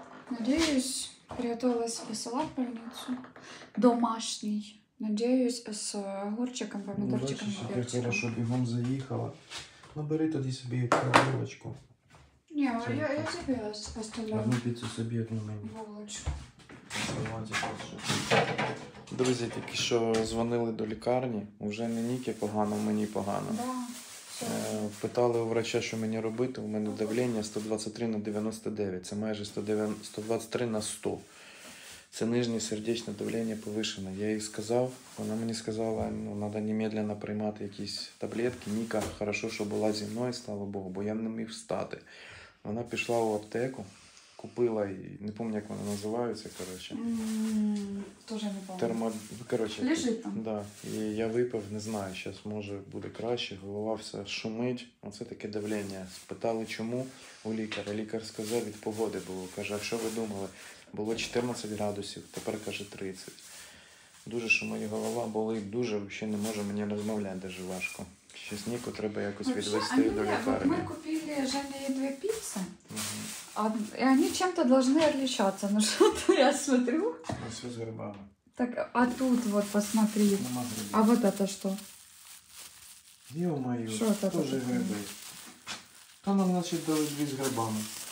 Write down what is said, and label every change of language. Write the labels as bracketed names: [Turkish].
[Russian] Надеюсь, приготовилась весела в больницу. Домашний. Надеюсь, с огурчиком, помидорчиком. Ну, бачите, теперь хорошо, бегом заехала. Ну, бери тоди себе эту булочку. Не, я тебе оставляю. Одну пиццу себе, одну мою. Булочку. Молодец. [Ukrainian] Друзі, тільки що дзвонили до лікарні, вже не Ніки погано, мені погано. Да. Питали у врача, що мені робити, у мене давлення 123/99, це майже 123/100. Це нижнє сердечне давлення повишене. Я їй сказав, вона мені сказала, ну, треба немедленно приймати якісь таблетки. Ніка, хорошо, що була зі мною, слава Богу, бо я не міг встати. Вона пішла у аптеку. Купила, не помню, як вони називаються, коротше. Тоже не помню. Коротше. Лежить там. Да. І я випив, не знаю, зараз може буде краще, голова вся шумить. Оце таке давлення. Спитали, чому у лікаря. Лікар сказав, від погоди було. Каже, а що ви думали? Було 14 градусів, тепер, каже, 30. Дуже шумить голова, болить дуже, взагалі не можу, мені розмовляти дуже важко. Ще Ніку треба якось вообще, відвести до лікарні. Ми купили Жені дві піци. [Russian] И они чем-то должны отличаться. Ну что-то я смотрю. Это все с грибами. Так, а тут вот посмотри. А вот это что? Ё-моё, что это тоже такое? Грибы. То нам, значит, две с грибами.